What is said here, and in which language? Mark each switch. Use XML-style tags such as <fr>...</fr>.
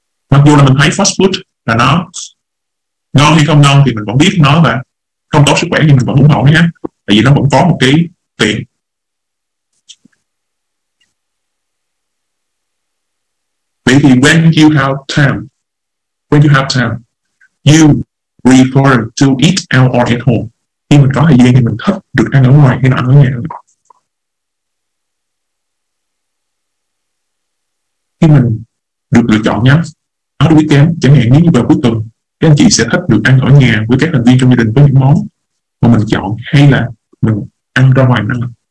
<vi>Mặc dù là mình thấy fast food là nó ngon hay không ngon thì mình vẫn biết nó là không tốt sức khỏe, nhưng mình vẫn ủng hộ nhé, tại vì nó vẫn có một cái tiền. Vậy thì</vi> <en>when you have time, you prefer to eat out or at home.</en> <vi>Khi mình có thời gian thì mình thích được ăn ở ngoài hay là ăn ở nhà. Khi mình được lựa chọn nhé, nói đối với kém, chẳng hạn nếu như vào cuối tuần các anh chị sẽ thích được ăn ở nhà với các thành viên trong gia đình với những món mà mình chọn hay là mình ăn ra ngoài nữa.</vi>